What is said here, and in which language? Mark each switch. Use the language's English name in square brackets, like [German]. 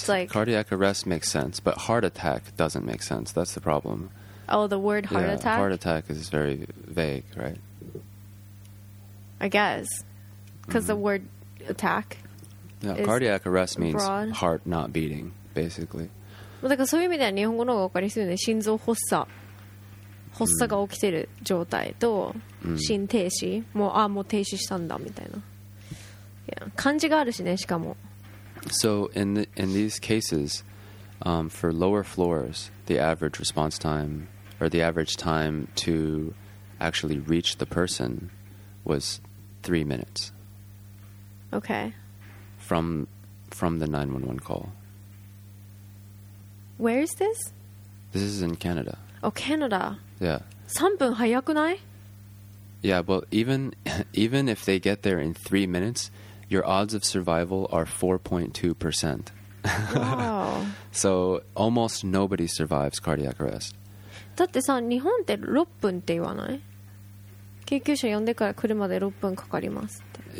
[English] It's like, cardiac arrest makes sense, but heart attack doesn't make sense. That's the problem. Oh, the word heart attack? Yeah, heart attack is very vague, right? I guess, because the word attack. Yeah, cardiac arrest means heart not beating, basically. [Japanese] だからそういう意味では日本語の方が分かりやすいよね。心臓発作、発作が起きてる状態と心停止、もう停止したんだみたいな。いや、漢字があるしね、しかも。 [English] So in these cases, for lower floors, the average response time or the average time to actually reach the person was 3 minutes. Okay. From the 911 call. Where is this? This is in Canada. Oh, Canada. Yeah. [Japanese] 3分早くない? [English] Yeah, well, even if they get there in 3 minutes, your odds of survival are 4.2%. Wow. So almost nobody survives cardiac arrest. [Japanese] だってさ、日本って6分って言わない?救急車呼んでから車で6分かかりますって。